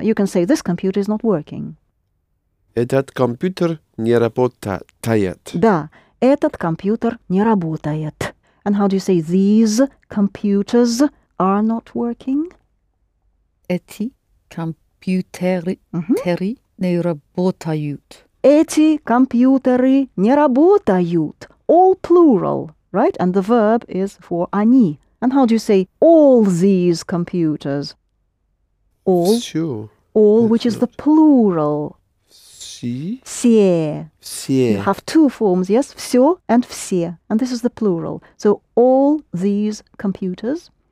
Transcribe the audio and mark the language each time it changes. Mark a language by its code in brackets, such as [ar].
[en] You can say this computer is not working. [ru] Этот компьютер не работает. Да. Этот компьютер не работает. [en] And how do you say these computers are not working? [ru] Эти компьютеры не работают. Эти компьютеры не работают. [en] All plural, right? And the verb is for они. And how do you say all these computers? All. [ru] Всё. [en] All, which is the plural. [ru] Все. Все. Все. [en] You have two forms, yes? Всё and все. And this is the plural. So all these computers.